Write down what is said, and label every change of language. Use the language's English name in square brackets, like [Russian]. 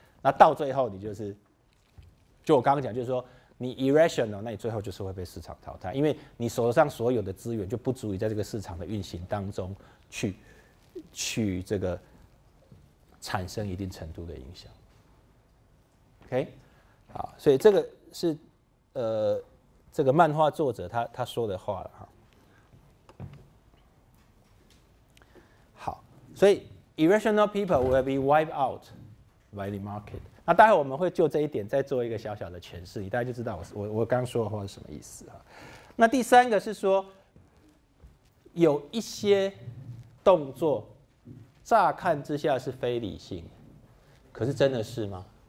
[Chinese] 那到最后，你就我刚刚讲，就是说你 irrational， 那你最后就是会被市场淘汰，因为你手上所有的资源就不足以在这个市场的运行当中去这个产生一定程度的影响。 OK， 好，所以这个是这个漫画作者他说的话了。好，所以 [English] irrational people will be wiped out by the market。 [Chinese] 那待会我们会就这一点再做一个小小的诠释，你大概就知道我刚说的话是什么意思。那第三个是说，有一些动作乍看之下是非理性，可是真的是吗？